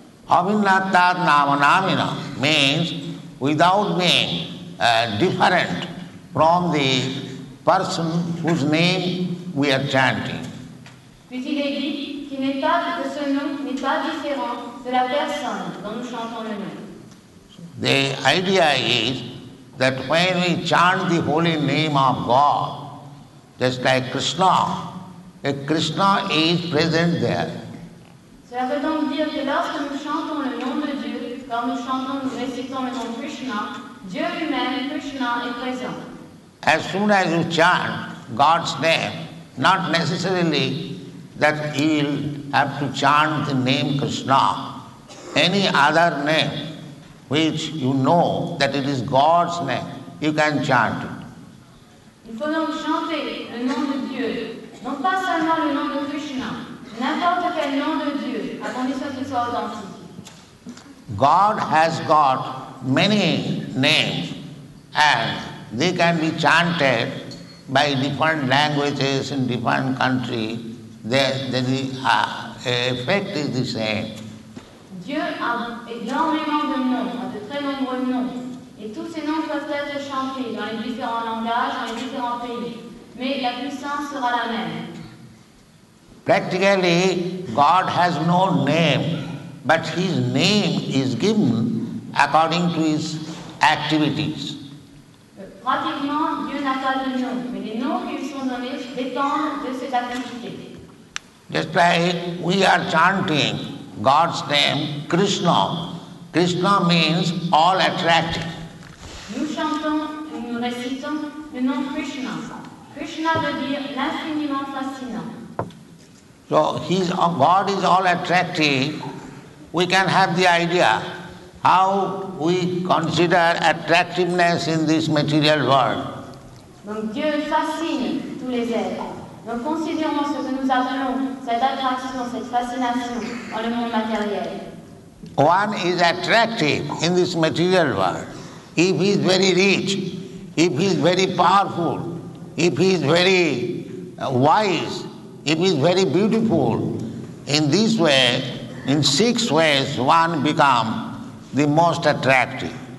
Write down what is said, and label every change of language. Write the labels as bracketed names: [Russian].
[Sanskrit] Abhinnatya Namanamina [English] means without being different from the person whose name we are chanting. [French] Puis il est dit que ce nom n'est pas différent de la personne dont nous chantons le nom. [English] The idea is that when we chant the holy name of God, just like Krishna, a Krishna is present there. [French] Cela veut donc dire que lorsque nous chantons le nom de Dieu, quand nous chantons, nous récitons le nom Krishna, Dieu lui-même, Krishna, est présent. [English] As soon as you chant God's name, not necessarily that you'll have to chant the name Krishna, any other name which you know that it is God's name, you can chant it. [French] Il faut donc chanter le nom de Dieu, non pas seulement le nom de Krishna, n'importe quel nom de Dieu, à condition qu'il soit authentique. [English] God has got many names, and they can be chanted by different languages in different countries. The effect is the same. [French] Dieu a énormément de noms, a de très nombreux noms, et tous ces noms peuvent être chantés dans les différents langages, dans les différents pays, mais la puissance sera la même. [English] Practically, God has no name, but His name is given according to His activities. [French] Pratiquement, Dieu n'a pas de nom, mais les noms qui lui sont donnés dépendent de ses activités. [English] Just like we are chanting God's name, Krishna. Krishna means all attractive. [French] Nous chantons et nous récitons le nom Krishna. Krishna veut dire l'infiniment fascinant. [English] So God is all attractive. We can have the idea how we consider attractiveness in this material world. [French] Donc Dieu fascine tous les êtres. Donc considérons ce que nous appelons cette attraction, cette fascination dans le monde matériel. [English] One is attractive in this material world. If he is very rich, if he is very powerful, if he is very wise, if he is very beautiful, in this way, in six ways, one becomes the most attractive.